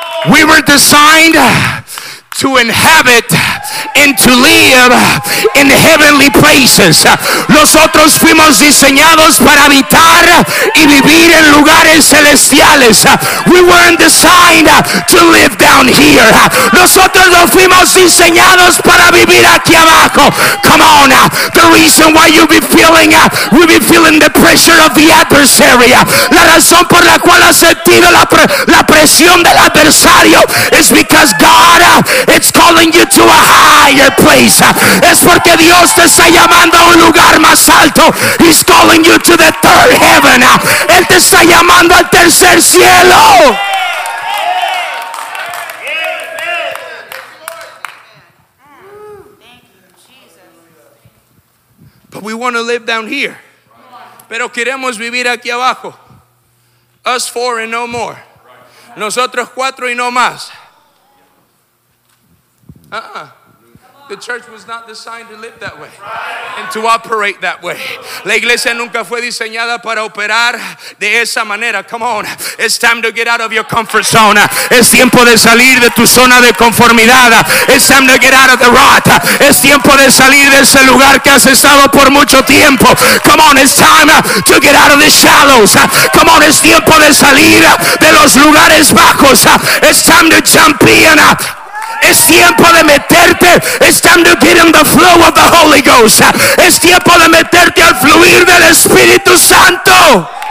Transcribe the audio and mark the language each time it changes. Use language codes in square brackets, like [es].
[en] We were designed to inhabit and to live in heavenly places. [es] Nosotros fuimos diseñados para habitar y vivir en lugares celestiales. [en] We weren't designed to live down here. [es] Nosotros no fuimos diseñados para vivir aquí abajo. [en] Come on. The reason why you'll be feeling the pressure of the adversary. [es] La razón por la cual has sentido la presión del adversario [en] is because God is calling you to a higher place. [es] Es porque Dios te está llamando a un lugar más alto. [en] He's calling you to the third heaven. [es] Él te está llamando al tercer cielo. [en] But we want to live down here. [es] Pero queremos vivir aquí abajo. [en] Us four and no more. [es] Nosotros cuatro y no más. [en] The church was not designed to live that way and to operate that way. [es] La iglesia nunca fue diseñada para operar de esa manera. [en] Come on, it's time to get out of your comfort zone. [es] Es tiempo de salir de tu zona de conformidad. [en] It's time to get out of the rut. [es] Es tiempo de salir de ese lugar que has estado por mucho tiempo. [en] Come on, it's time to get out of the shallows. Come on, [es] es tiempo de salir de los lugares bajos. [en] It's time to jump in. [es] Es tiempo de meterte. [en] It's time to get in the flow of the Holy Ghost. [es] Es tiempo de meterte al fluir del Espíritu Santo.